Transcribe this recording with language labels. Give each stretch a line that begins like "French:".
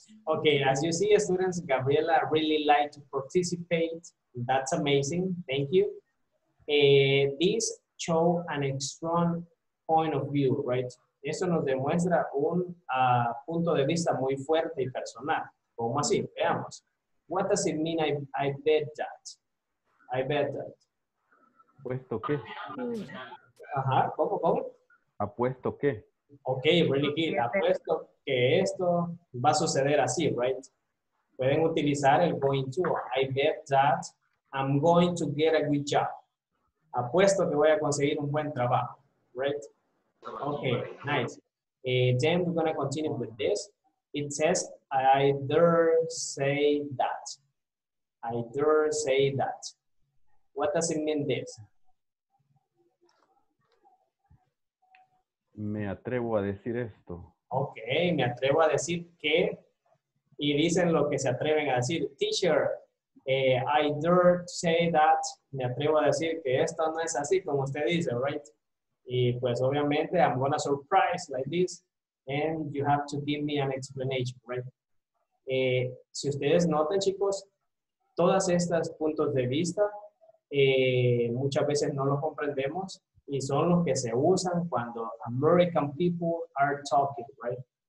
English: Okay, as you see, students, Gabriela really liked to participate. That's amazing. Thank you. This show an strong point of view, right?
Spanish: Eso nos demuestra un punto de vista muy fuerte y personal. ¿Cómo así? Veamos.
English: What does it mean, I bet that? I bet that.
Spanish: ¿Apuesto qué? Ajá, ¿cómo? ¿Apuesto qué?
English: Ok, really good.
Spanish: Apuesto que esto va a suceder así, right? Pueden utilizar el going to.
English: I bet that I'm going to get a good job.
Spanish: Apuesto que voy a conseguir un buen trabajo, right?
English: Okay, nice. Then we're going to continue with this. It says, I dare say that. I dare say that. What does it mean this?
Spanish: Me atrevo a decir esto. Okay, me atrevo a decir que. Y dicen lo que se atreven a decir.
English: Teacher, I dare say that.
Spanish: Me atrevo a decir que esto no es así como usted dice, right? Y pues obviamente
English: I'm gonna surprise like this and you have to give me an explanation, right?
Spanish: Si ustedes notan, chicos, todas estas puntos de vista muchas veces no los comprendemos y son los que se usan cuando
English: American people are talking,
Spanish: right?